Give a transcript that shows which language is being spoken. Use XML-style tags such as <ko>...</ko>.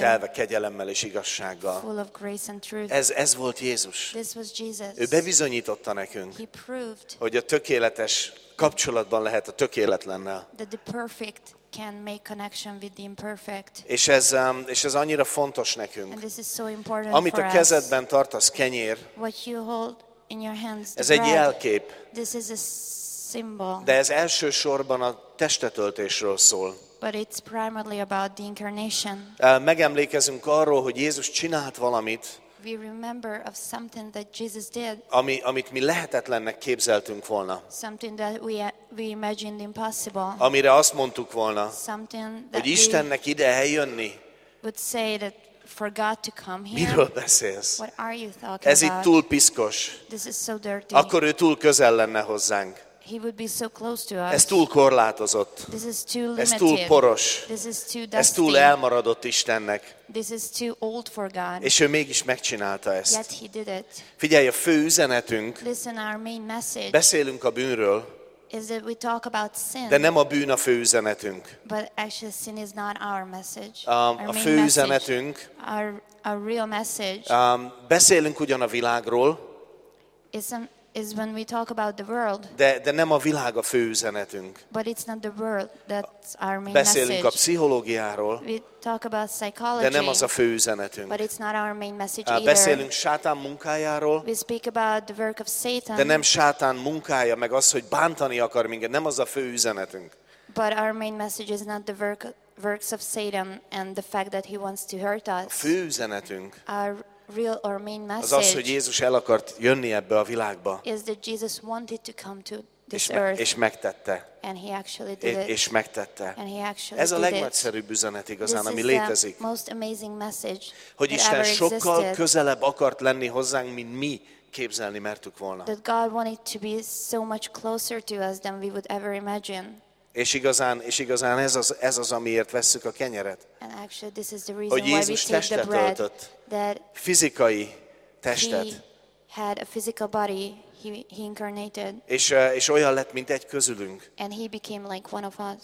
<hu>telve kegyelemmel és igazsággal.</hu> <en>Full of grace and truth.</en> <hu>Ez volt Jézus.</hu> <en>This was Jesus.</en> <hu>Ő bebizonyította nekünk,</hu> <en>he proved,</en> <hu>hogy a tökéletes kapcsolatban lehet a tökéletlennel.</hu> <en>That the perfect can make connection with the imperfect.</en> <hu>És ez annyira fontos nekünk.</hu> <en>And this is so important.</en> <hu>Amit</hu> <en>for</en> <hu>a kezedben tartasz, kenyér,</hu> <en>what you hold in your hands,</en> <hu>ez egy jelkép.</hu> <en>This is a symbol.</en> <hu>De ez elsősorban a testetöltésről szól.</hu> <en>But it's primarily about the incarnation.</en> <hu>Megemlékezünk arról, hogy Jézus csinált valamit,</hu> <en>we remember of something that Jesus did,</en> <hu>amit mi lehetetlennek képzeltünk volna,</hu> <en>something that we imagined impossible,</en> <hu>amire azt mondtuk volna,</hu> <en>something that</en> <hu>hogy Istennek ide eljönni,</hu> <en>would say that for God to come here,</en> <hu>miről beszélsz?</hu> <en>What are you talking</en> <hu>ez</hu> <en>about?</en> <hu>Itt túl piszkos,</hu> <en>this is so dirty,</en> <hu>akkor ő túl közel lenne hozzánk,</hu> <en>he would be so close to us,</en> <hu>ez túl korlátozott,</hu> <en>this is too limited,</en> <hu>ez túl poros,</hu> <en>this is too dusty,</en> <hu>ez túl elmaradott Istennek.</hu> <en>This is too old for God.</en> <hu>És ő mégis megcsinálta ezt.</hu> <en>Yet he did it.</en> <hu>Figyelj, a fő üzenetünk,</hu> <en>listen, our main message,</en> <hu>beszélünk a bűnről,</hu> <en>is that we talk about sin,</en> <hu>de nem a bűn a fő üzenetünk.</hu> <en>But actually sin is not our message.</en> <hu>A fő üzenetünk,</hu> <en>our real message,</en> <hu>beszélünk ugyan a világról,</hu> <en>is when we talk about the world,</en> <hu>de nem a világ a fő üzenetünk.</hu> <en>But it's not the world, that's our main</en> <hu>beszélünk</hu> <en>message.</en> <hu>A pszichológiáról,</hu> <en>we talk about psychology,</en> <hu>de nem az a fő üzenetünk.</hu> <en>But it's not our main message either.</en> <hu>Beszélünk Sátán munkájáról,</hu> <en>we speak about the work of Satan,</en> <hu>de nem Sátán munkája, meg az, hogy bántani akar minket, nem az a fő üzenetünk.</hu> <en>But our main message is not the works of Satan and the fact that he wants to hurt us.</en> <hu>A fő üzenetünk,</hu> <en>our real or main message,</en> <hu>az az, hogy Jézus el akart jönni ebbe a világba,</hu> <en>is that Jesus wanted to come to this</en> <hu>earth, és megtette.</hu> <en>And he actually did it.</en> <hu>És megtette.</hu> <en>And he actually</en> <hu>ez a legnagyszerűbb üzenet igazán,</hu> <en>this</en> <hu>ami létezik.</hu> <en>Most amazing message,</en> <hu>hogy Isten sokkal</hu> <en>existed,</en> <hu>közelebb akart lenni hozzánk, mint mi képzelni mertük volna.</hu> <en>That God wanted to be so much closer to us than we would ever imagine.</en> <hu>És igazán ez az amiért vesszük a kenyeret.</hu> <en>And actually this is the reason</en> <hu>hogy Jézus</hu> <en>why we take the bread,</en> <hu>öltött,</hu> <en>that</en> <hu>fizikai testet.</hu> <en>He had a physical body, he incarnated.</en> <hu>És olyan lett, mint egy közülünk.</hu> <en>And he became like one of us.</en>